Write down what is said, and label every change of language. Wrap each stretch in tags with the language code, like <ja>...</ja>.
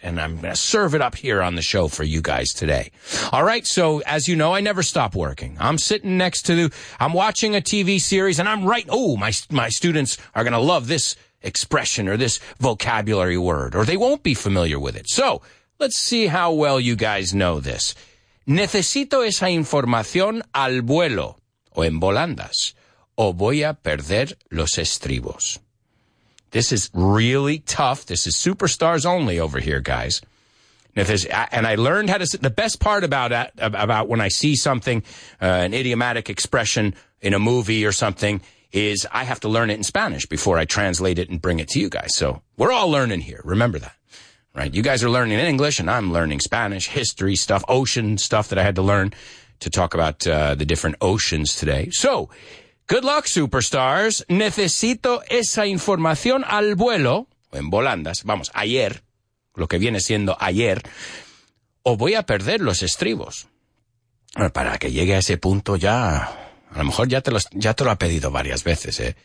<en>And I'm going to serve it up here on the show for you guys today. All right. So as you know, I never stop working. I'm sitting next to I'm watching a TV series and I'm right. Oh, my students are going to love this expression or this vocabulary word, or they won't be familiar with it. So let's see how well you guys know this.</en> <es>Necesito esa información al vuelo o en volandas o voy a perder los estribos.</es> <en>This is really tough. This is superstars only over here, guys. And I learned how to say, the best part about that, about when I see something, an idiomatic expression in a movie or something, is I have to learn it in Spanish before I translate it and bring it to you guys. So we're all learning here. Remember that, right? You guys are learning English and I'm learning Spanish, history stuff, ocean stuff that I had to learn to talk about the different oceans today. So, good luck, superstars.</en> <es>Necesito esa información al vuelo, en volandas, vamos, ayer, lo que viene siendo ayer, o voy a perder los estribos. Bueno, para que llegue a ese punto ya, a lo mejor ya te lo ha pedido varias veces, ¿eh?</es>